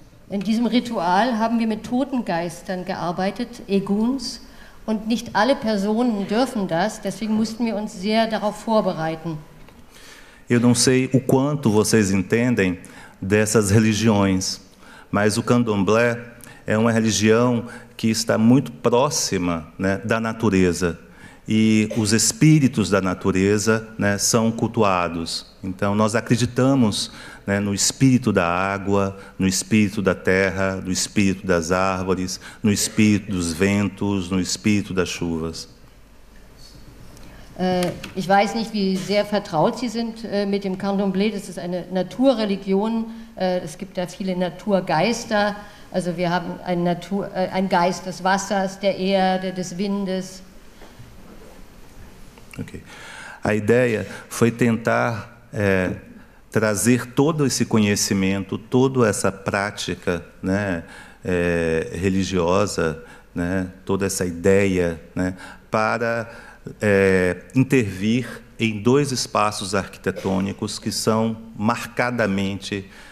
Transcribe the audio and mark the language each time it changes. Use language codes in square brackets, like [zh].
[de] In diesem Ritual haben wir mit toten Geistern gearbeitet, eguns, und nicht alle Personen dürfen das, deswegen mussten wir uns sehr darauf vorbereiten. [pt] Eu não sei o quanto vocês entendem dessas religiões, mas o candomblé é uma religião que está muito próxima, né, da natureza. E os espíritos da natureza, né, são cultuados. Então, nós acreditamos, né, no espírito da água, no espírito da terra, no espírito das árvores, no espírito dos ventos, no espírito das chuvas. [de] Ich weiß nicht, wie sehr vertraut Sie sind mit dem Candomblé. Das ist eine Naturreligion. Es gibt da viele Naturgeister. Also wir haben einen Geist des Wassers, der Erde, des Windes. Okay. [pt] A ideia foi tentar trazer todo esse conhecimento, toda essa prática, né, religiosa, né, toda essa ideia, né, para intervir em dois espaços arquitetônicos que são marcadamente